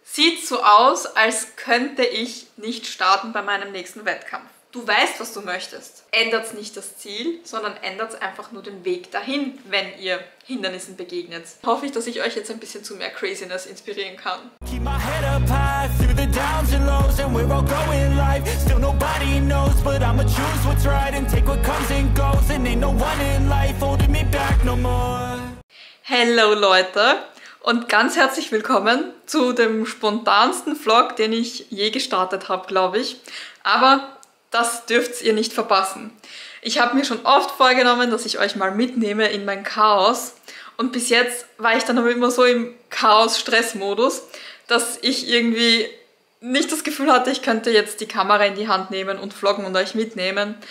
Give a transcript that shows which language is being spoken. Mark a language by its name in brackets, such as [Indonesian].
[German] sieht so aus, als könnte ich nicht starten bei meinem nächsten Wettkampf. Du weißt, was du möchtest. Ändert nicht das Ziel, sondern ändert einfach nur den Weg dahin, wenn ihr Hindernissen begegnet. Hoffe ich, dass ich euch jetzt ein bisschen zu mehr Craziness inspirieren kann. [English] Keep my head up high through the downs and lows and we're all going live. Still nobody knows, but I'ma choose what's right and take what comes and goes and ain't no one in life holding me back no more. [German] Hello Leute und ganz herzlich willkommen zu dem spontansten Vlog, den ich je gestartet habe, glaube ich. Aber das dürft ihr nicht verpassen. Ich habe mir schon oft vorgenommen, dass ich euch mal mitnehme in mein Chaos. Und bis jetzt war ich dann aber immer so im Chaos-Stress-Modus, dass ich irgendwie nicht das Gefühl hatte, ich könnte jetzt die Kamera in die Hand nehmen und vloggen und euch mitnehmen.